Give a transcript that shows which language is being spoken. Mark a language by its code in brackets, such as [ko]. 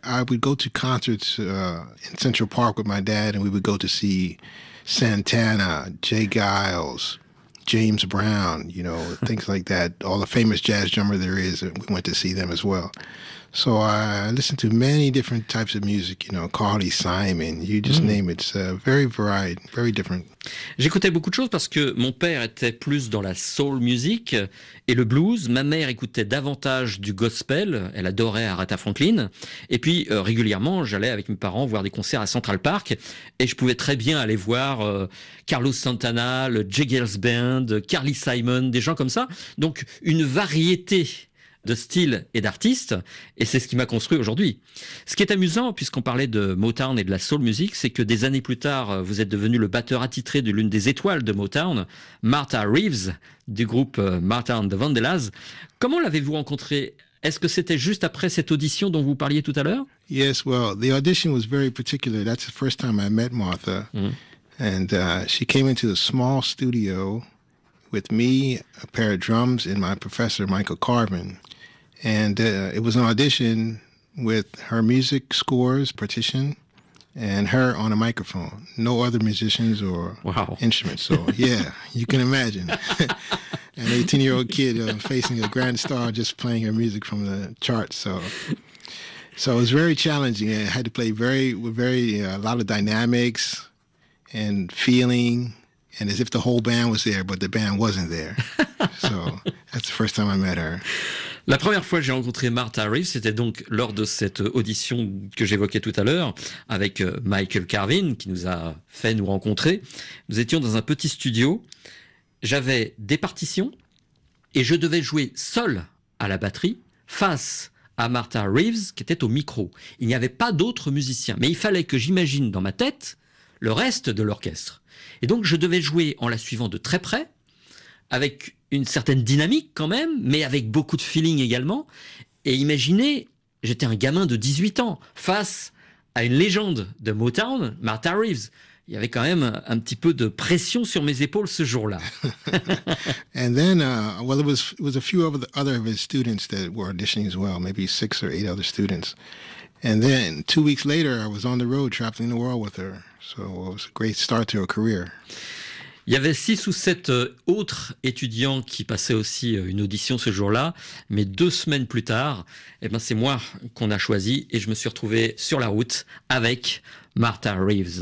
[en] I would go to concerts in Central Park with my dad and we would go to see Santana, Jay Giles, James Brown, you know, things like that. All the famous jazz drummer there is, and we went to see them as well. So I listened to many different types of music, you know, Carly Simon, you just name it. It's very varied, very different. [fr] J'écoutais beaucoup de choses parce que mon père était plus dans la soul music et le blues. Ma mère écoutait davantage du gospel. Elle adorait Aretha Franklin. Et puis, régulièrement, j'allais avec mes parents voir des concerts à Central Park et je pouvais très bien aller voir Carlos Santana, le Jiggles Band, Carly Simon, des gens comme ça. Donc, une variété de style et d'artiste, et c'est ce qui m'a construit aujourd'hui. Ce qui est amusant, puisqu'on parlait de Motown et de la soul music, c'est que des années plus tard, vous êtes devenu le batteur attitré de l'une des étoiles de Motown, Martha Reeves, du groupe Martha and the Vandellas. Comment l'avez-vous rencontré? Est-ce que c'était juste après cette audition dont vous parliez tout à l'heure? Yes, well, the audition was very particular. That's the first time I met Martha. Mm-hmm. And she came into the small studio with me, a pair of drums, and my professor, Michael Carvin. And it was an audition with her music scores, partition, and her on a microphone. No other musicians or instruments. So, yeah, you can imagine. An 18-year-old kid facing a grand star just playing her music from the charts. So it was very challenging. I had to play a lot of dynamics and feeling. And as if the whole band was there, but the band wasn't there. So that's the first time I met her. La première fois que j'ai rencontré Martha Reeves, c'était donc lors de cette audition que j'évoquais tout à l'heure avec Michael Carvin qui nous a fait nous rencontrer. Nous étions dans un petit studio. J'avais des partitions et je devais jouer seul à la batterie face à Martha Reeves qui était au micro. Il n'y avait pas d'autres musiciens, mais il fallait que j'imagine dans ma tête le reste de l'orchestre. Et donc, je devais jouer en la suivant de très près, avec une certaine dynamique quand même, mais avec beaucoup de feeling également. Et imaginez, j'étais un gamin de 18 ans, face à une légende de Motown, Martha Reeves. Il y avait quand même un petit peu de pression sur mes épaules ce jour-là. [en] And then, it was a few of the other of his students that were auditioning as well, maybe 6 or 8 other students. And then, 2 weeks later, I was on the road traveling the world with her. So it was a great start to her career. [fr] Il y avait 6 ou 7 autres étudiants qui passaient aussi une audition ce jour-là. Mais 2 semaines plus tard, eh ben c'est moi qu'on a choisi et je me suis retrouvé sur la route avec Martha Reeves.